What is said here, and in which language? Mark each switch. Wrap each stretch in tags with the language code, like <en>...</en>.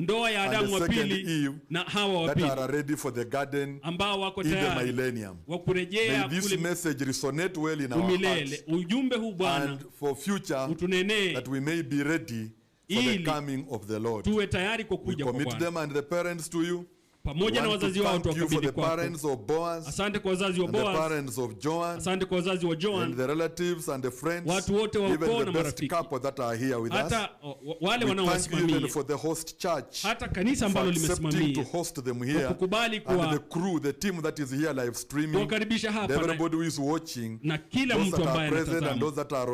<sw>ndoa ya Adam wa pili na Hawa wa pili</sw> <en>that are ready for the garden</en> <sw>ambao wako tayari</sw> <en>in the millennium</en> <sw>wa kurejea kule</sw> <en>this message resonate well in our hearts and for future utunene, that we may be ready for the coming of the Lord.</en> <sw>Tuwe tayari kwa kuja kwa Bwana.</sw> <en>We commit them and the parents to you.</en> <sw>Pamoja na wazazi wao tuwakabidhi kwako.</sw> <en>The parents of Boaz.</en> <sw>Asante kwa wazazi wa Boaz.</sw> <en>The parents of Joan.</en> <sw>Asante kwa wazazi wa Joan.</sw> <en>And the relatives and the friends.</en> <sw>Watu wote wa ukoo na marafiki.</sw> <en>Even the best couple that are here with</en> <sw>hata,</sw> <en>us.</en> <sw>Wale wanaowasimamia.</sw> <en>Thank you for the host church.</en> <sw>Hata kanisa ambalo limesimamia.</sw> <en>To host them here.</en> <sw>Kukubali kwa</sw> <en>and the crew, the team that is here live streaming.</en> <sw>Wakaribisha hapa.</sw> <en>Everybody who is watching.</en> <sw>Na kila mtu ambaye anatazama.</sw>